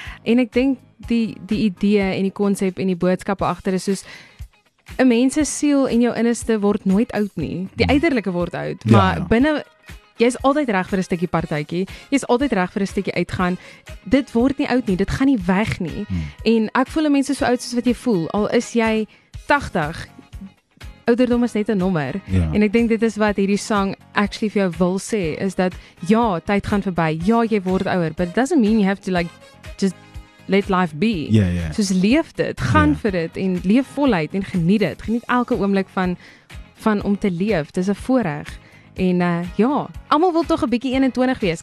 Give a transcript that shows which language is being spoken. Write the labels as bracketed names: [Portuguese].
[Afrikaans] En ek dink die idee en die concept en die boodskap achter is soos, een mens se siel en jou innerste word nooit oud nie, die uiterlijke word oud, maar binnen, jy is altyd reg vir 'n stukkie partytjie, jy is altyd reg vir 'n stukkie uitgaan, dit word nie oud nie, dit gaan nie weg nie, en ek voel een mens is so oud soos wat jy voel, al is jy 80, ouderdom is net een nommer, en ek denk dit is wat hierdie song actually vir jou wil sê is dat ja, tyd gaan verby. Ja, jy word ouer, [English] but it doesn't mean you have to like just let life be. [Afrikaans] Ja, ja. Soos leef dit, gaan vir dit en leef voluit en geniet dit. Geniet elke oomblik van om te leef. Dis 'n voorreg. En ja, almal wil tog 'n bietjie 21 wees.